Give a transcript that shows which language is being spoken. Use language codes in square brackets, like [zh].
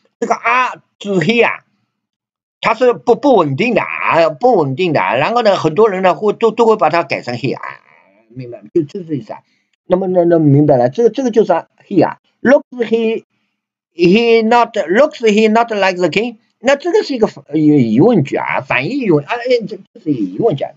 [zh] 这个 r 之 he 啊，它是不稳定的啊，不稳定的。然后呢，很多人呢会都会把它改成 he 啊，明白？就这个意思啊。那么明白了，这个就是 he 啊。 [en] Looks he not looks he not like the king？ [zh] 那这个是一个疑问句啊，反义疑问啊，这是疑问句啊。